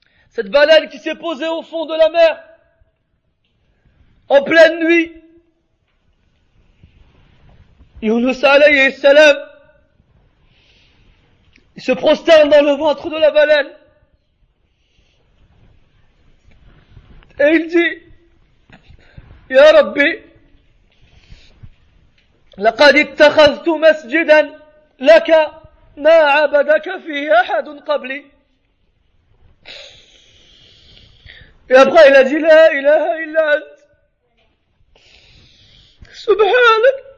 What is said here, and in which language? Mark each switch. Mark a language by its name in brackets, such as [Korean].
[French] Cette baleine qui s'est posée au fond de la mer, en pleine nuit. Yunus alayhi salam, il se prosterne dans le ventre de la baleine. Et il dit, [Arabic] Ya Rabbi, لقد اتخذت مسجدا لك ما عبدك فيه أحد قبلي. [French] Et après il a dit [Arabic] La ilaha illa ant Subhanak